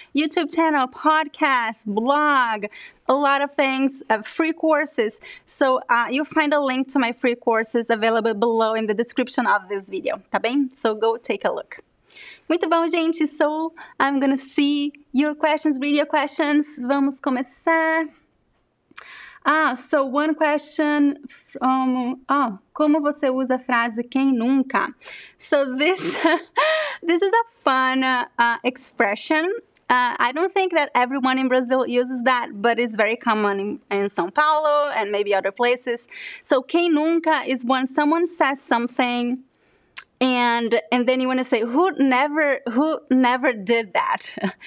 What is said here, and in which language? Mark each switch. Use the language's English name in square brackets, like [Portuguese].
[English] YouTube channel, podcast, blog, a lot of things, free courses. So you'll find a link to my free courses available below in the description of this video, [Portuguese] tá bem? [English] So go take a look. [Portuguese] Muito bom, gente, [English] so I'm gonna see your questions, read your questions. [Portuguese] Vamos começar. [English] Ah, so one question from, oh, [Portuguese] como você usa a frase quem nunca? [English] So this, this is a fun expression. I don't think that everyone in Brazil uses that, but it's very common in São Paulo and maybe other places. So quem nunca is when someone says something and then you want to say, who never did that?